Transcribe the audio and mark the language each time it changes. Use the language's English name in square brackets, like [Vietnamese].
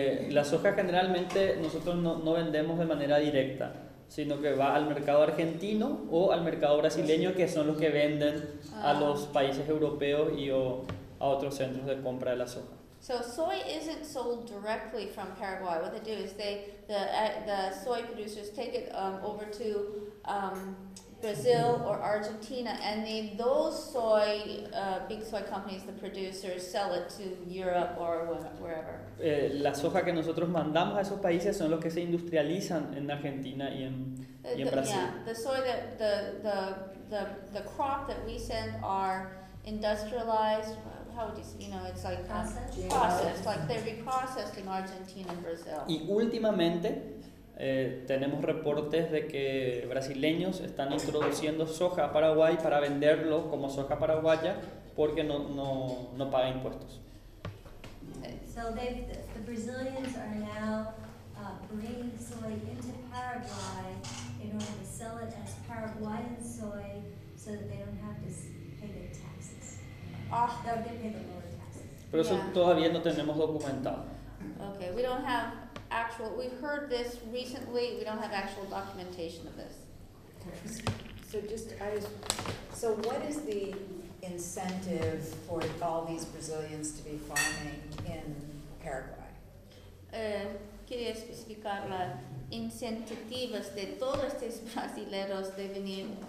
[Spanish] La soja generalmente nosotros no vendemos de manera directa, sino que va al mercado argentino o al mercado brasileño, que son los que venden a los países europeos y o a otros centros de compra de la soja. [English] So soy isn't sold directly from Paraguay. What they do is the soy producers take it over to Brazil or Argentina, and then those soy, big soy companies, the producers, sell it to Europe or wherever. [Spanish] La soja que nosotros mandamos a esos países son los que se industrializan en Argentina y en Brasil. [English] Yeah, the soy that the crop that we send are industrialized. How would you say? You know, it's like processed. Like they're reprocessed in Argentina and Brazil. [Spanish] Y últimamente. Tenemos reportes de que brasileños están introduciendo soja a Paraguay para venderlo como soja paraguaya porque no paga impuestos. [English] So the Brazilians are now bring soy into Paraguay in order to sell it as Paraguayan soy so that they don't have to pay their taxes. Oh, they'll get paid the lower taxes. [Spanish] Pero eso todavía no tenemos documentado. [English] Okay, we don't have actual, we've heard this recently, we don't have actual documentation of this. So just, so what is the incentive for all these Brazilians to be farming in Paraguay? [Spanish] Quería especificar las incentivas de todos estos brasileros de venir